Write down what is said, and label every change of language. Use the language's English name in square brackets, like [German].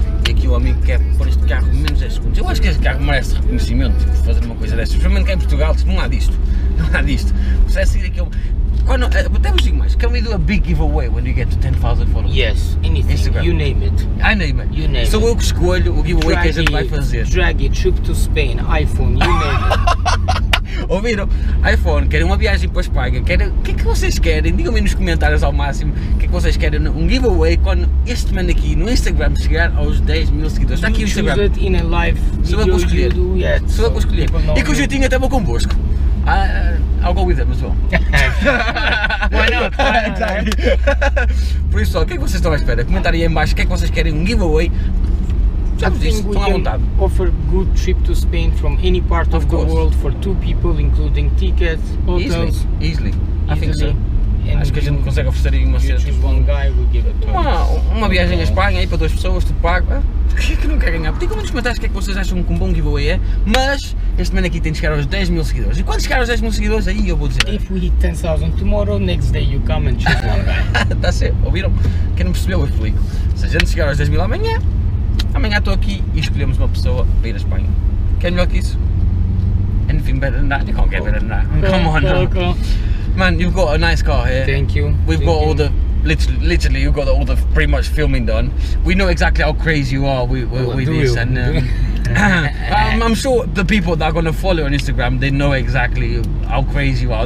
[Portuguese] E aqui o amigo quer pôr este carro menos 10 segundos. Eu acho que este carro merece reconhecimento por fazer uma coisa dessas. Principalmente cá em Portugal, não há disto. Não há disto. Você é seguir aquele. Quando, até vos digo mais, [English] can we do a big giveaway when you get to 10,000 followers? Yes, anything, Instagram. You name it. I name it. You name so it. [Portuguese] Eu que escolho o giveaway que a gente vai fazer. [English] Draghi, trip to Spain, iPhone, you name it. [Portuguese] Ouviram? iPhone, querem uma viagem para a Espanha, querem... O que é que vocês querem? Digam-me nos comentários ao máximo o que é que vocês querem. Um giveaway quando este man aqui no Instagram chegar aos 10 mil seguidores. Está aqui o Instagram. [English] You choose it in a live video. [Portuguese] Sou eu que escolher. Sou eu que escolher. E com o jeitinho até vou convosco. [English] I'll go with them as well. Why not? Exactly. [Portuguese] Por isso, o que é que vocês estão à espera? Comentarem aí em baixo o que é que vocês querem, um giveaway. Já vos disse, estão à vontade. [English] Offer good trip to Spain from any part of the world for two people, including tickets, hotels. Easily. I think so. And [Portuguese] acho que a gente consegue oferecer aí uma cena tipo [English] one guy will give a [Portuguese] uma viagem à Espanha aí para duas pessoas, tu pago. O que é que não quer ganhar? Digam-me nos comentários o que é que vocês acham que um bom giveaway é, mas este man aqui tem de chegar aos 10 mil seguidores. E quando chegar aos 10 mil seguidores, aí eu vou dizer. [English] If we hit 10,000 tomorrow, next day you come and choose one guy. [Portuguese] Está certo, ouviram? Quem não percebeu, eu explico. Se a gente chegar aos 10 mil amanhã, amanhã estou aqui e escolhemos uma pessoa para ir à Espanha. Quer melhor que isso? [English] Anything better than that? You can't get better than that. Come on now. Man, you've got a nice car here. Thank you. We've got all the, literally you've got all the pretty much filming done. We know exactly how crazy you are with this. And I'm sure the people that are going to follow you on Instagram, they know exactly how crazy you are.